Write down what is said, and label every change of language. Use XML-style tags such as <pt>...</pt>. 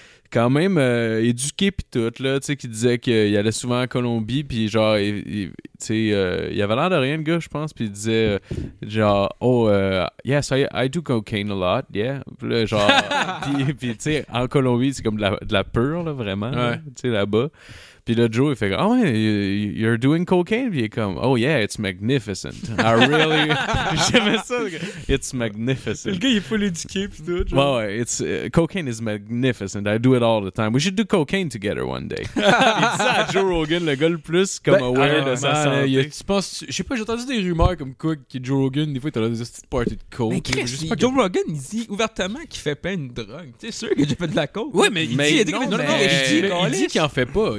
<fr>quand même éduqué pis tout, là, tu sais, qui disait qu'il allait souvent en Colombie pis genre, il avait l'air de rien, le gars, je pense, pis il disait,</fr> <en>yes, I do cocaine a lot, yeah,</en> <fr>pis là, genre, pis tu sais, en Colombie, c'est comme de la pure, là, vraiment, ouais. Tu sais, là-bas. Puis là, Joe, il fait comme,</fr> <en>oh, man, you're doing cocaine?</en> <fr>Puis il est comme,</fr> <en>oh, yeah, it's magnificent. I really...</en> <fr>J'aimais ça.</fr> <en>It's magnificent.</en> <fr>Le gars, il est full éduqué, puis tout. Ouais, ouais.</fr> <en>Cocaine is magnificent. I do it all the time. We should do cocaine together one day.</en> <fr>Il dit ça à Joe Rogan, le gars le plus comme aware de sa santé. Je sais pas, j'ai entendu des rumeurs comme quoi que Joe Rogan, des fois, il t'a des petites parties de coke. Mais Chris, Joe Rogan, il dit ouvertement qu'il fait plein de drogue. Tu es sûr que j'ai fait de la coke? Oui, mais il dit qu'il en fait pas.</fr>